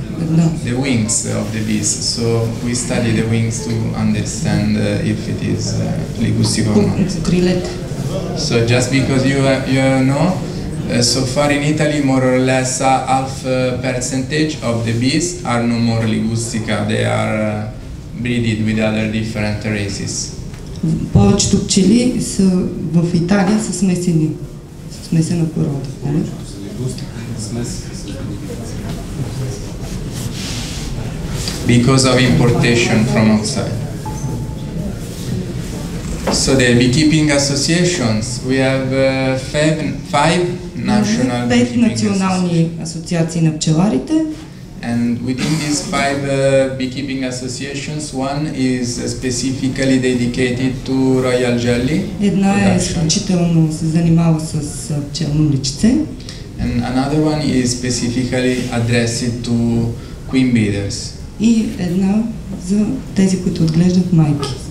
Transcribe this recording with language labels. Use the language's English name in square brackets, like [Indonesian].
[English] the wings of the bees. So we study the wings to understand if it is Lycus sigma. So just because you know, so far in Italy more or less half percentage of the bees are no more ligustica, they are breeded with other different races. [Bulgarian] Повечето пчели са в Италия са смесени, смесена порода. [English] Because of importation from outside. So the beekeeping associations, we have five national [Bulgarian] национални асоциации на пчеларите. [English] And within these five beekeeping associations, one is specifically dedicated to royal jelly. [Bulgarian] Една е изключително се занимава с пчелно млечце. [English] And another one is specifically addressed to queen breeders. [Bulgarian] И една за тези, които отглеждат майки.